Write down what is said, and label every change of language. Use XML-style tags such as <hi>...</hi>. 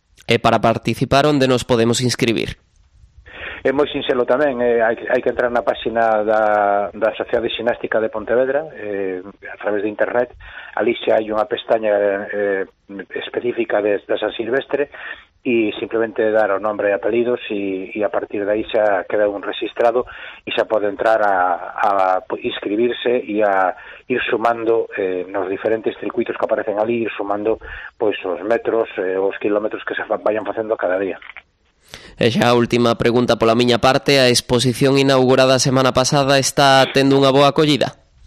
<gl>E para participar, onde nos podemos inscribir? É moi sinxelo tamén, hai que entrar na página da Sociedade de Ximnástica de Pontevedra, a través de internet. Alí xa hai unha pestaña específica de San Silvestre,</gl> <es>y simplemente dar un nombre y apellidos y a partir de ahí se ha quedado un registrado y se puede entrar a inscribirse y a ir sumando los diferentes circuitos que aparecen allí, ir sumando pues los metros o los kilómetros que se vayan haciendo cada día.</es> <gl>E xa a última pregunta pola miña parte, a exposición inaugurada semana pasada está tendo unha boa acollida?</gl>